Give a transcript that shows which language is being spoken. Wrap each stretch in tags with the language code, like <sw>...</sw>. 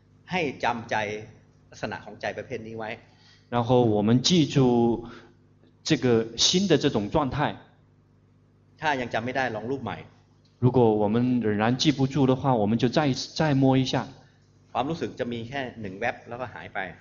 <th>ให้จำใจลักษณะของใจประเภทนี้ไว้</th> <zh>然后我们记住这个心的这种状态</zh> <th>ถ้ายังจำไม่ได้ลองรูปใหม่</th> <zh>如果我们仍然记不住的话我们就再摸一下</zh> <th>ความรู้สึกจะมีแค่หนึ่งแวบแล้วก็หายไป</th>